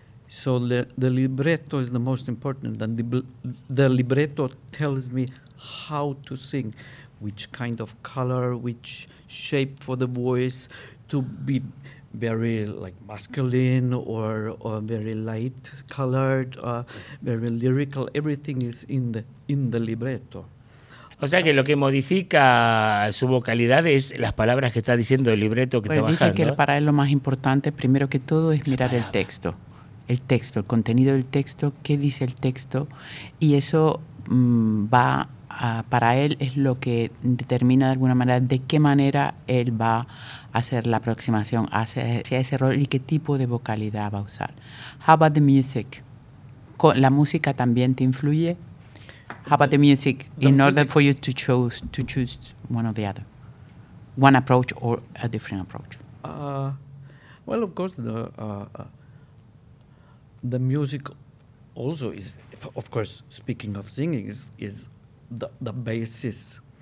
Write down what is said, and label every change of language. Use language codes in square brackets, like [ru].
[en] So the libretto is the most important, and the libretto tells me how to sing, which kind of color, which shape for the voice, to be very like masculine or very light colored, very lyrical. Everything is in the libretto. [es] O sea que lo que modifica su vocalidad es las palabras que está diciendo el libretto que está bajando. Dice que para él lo más importante, primero que todo, es mirar el texto. El texto, el contenido del texto, qué dice el texto, y eso para él es lo que determina de alguna manera de qué manera él va a hacer la aproximación hacia ese rol y qué tipo de vocalidad va a usar. [en] How about the music? [es] La música también te influye. [en] How about the music in order for you to choose one or the other? One approach or a different approach? Well, of course, the music also is, of course, speaking of singing, is the basis.